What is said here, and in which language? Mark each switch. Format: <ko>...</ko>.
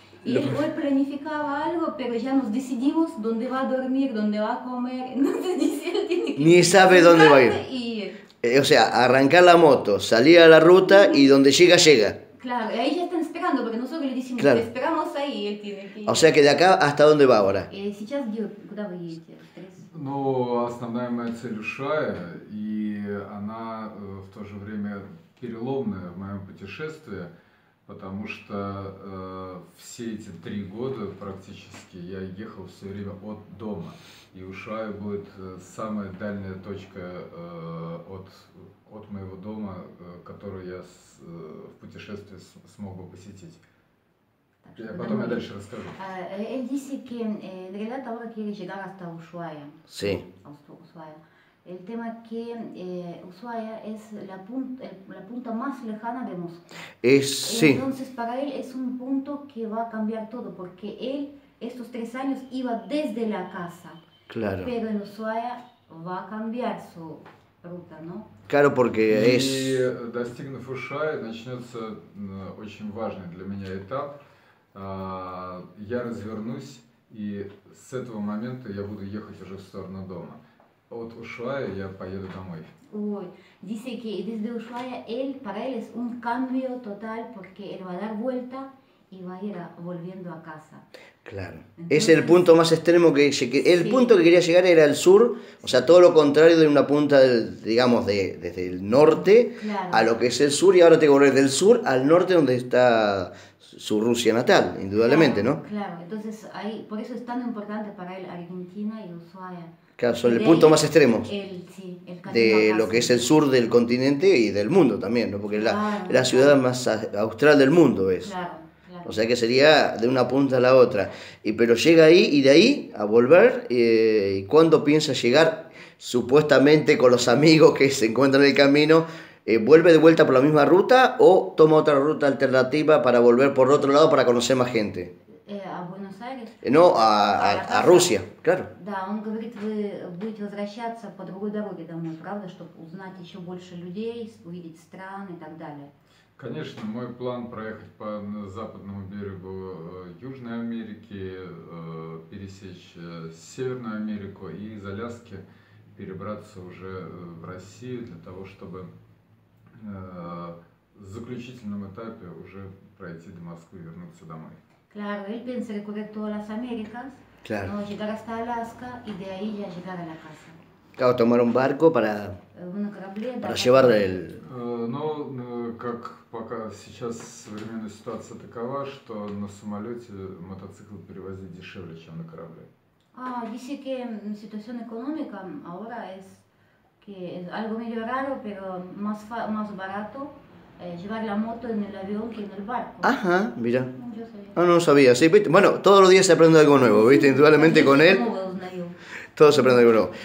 <es>Y él hoy planificaba algo, pero ya nos decidimos dónde va a dormir, dónde va a comer. Entonces dice, él tiene que... Ni sabe dónde va a ir. Y... O sea, arrancar la moto, salir a la ruta y donde llega, llega. Claro, ahí ya están esperando, porque nosotros le decimos, claro, esperamos ahí, él tiene que ir. O sea, que de acá, ¿hasta dónde va ahora?</es> <ru>Сейчас, куда вы едете? Ну, основная моя цель Ушая, и она в то же время переломная в моем путешествии, потому что все эти три года практически я ехал все время от дома. И Ушая будет самая дальняя точка от моего дома, которую я в путешествии смог бы посетить.</ru> <es>Él dice que en realidad ahora quiere llegar hasta Ushuaia. Sí. Ushuaia. El tema es que Ushuaia es la punta más lejana de Moscú. Sí. Entonces para él es un punto que va a cambiar todo, porque él estos tres años iba desde la casa. Claro. Pero en Ushuaia va a cambiar su ruta, ¿no? Claro, porque es...</es> <ru>Y, достигнув Ушуая, начнется очень важный для меня этап. Я развернусь, и с этого момента я буду ехать уже в сторону дома. От Ушуая я поеду домой.</ru> <es>Ой, dice que desde Ushuaia él para él es un cambio total porque él va a dar vuelta y va a ir a, volviendo a casa. Claro. Entonces, es el punto más extremo que el sí. punto que quería llegar era el sur, o sea, todo lo contrario de una punta del, digamos de desde el norte claro. a lo que es el sur y ahora tengo que volver del sur al norte donde está su Rusia natal, indudablemente, claro, ¿no? Claro, entonces ahí, por eso es tan importante para él Argentina y Ushuaia. Claro, son el punto más extremo sí, de lo que es el sur del continente y del mundo también, ¿no? Porque claro, la ciudad más austral del mundo es. Claro, claro. O sea que sería de una punta a la otra. Y, pero llega ahí y de ahí a volver, ¿y cuándo piensa llegar supuestamente con los amigos que se encuentran en el camino? ¿Vuelve de vuelta por la misma ruta o toma otra ruta alternativa para volver por otro lado para conocer más gente? A Buenos Aires. No, a Rusia, claro.</es> <ru>Да, он говорит, вы будете возвращаться по другой дороге домой, правда, чтобы узнать еще больше людей, увидеть страны и так далее. Конечно, мой план проехать по западному берегу Южной Америки, пересечь Северную Америку и из Аляски перебраться уже в Россию для того, чтобы в заключительном этапе уже пройти до Москвы и вернуться домой.</ru> <es>Claro, él piensa recorrer todas las Américas, claro. ¿no? Llegar hasta Alaska y de ahí ya llegar a la casa. Claro, tomar un barco para, para llevar el...</es> <ru>Но, как пока сейчас современная ситуация такова, что на самолете мотоцикл перевозить дешевле, чем на корабле.</ru> <es>Dice que situación económica ahora es que es algo medio raro, pero más, más barato llevar la moto en el avión que en el barco. Ajá, mira. No sabía, sí, ¿viste? Bueno, todos los días se aprende algo nuevo, ¿viste? Indudablemente con él. Todo se aprende algo nuevo.</es>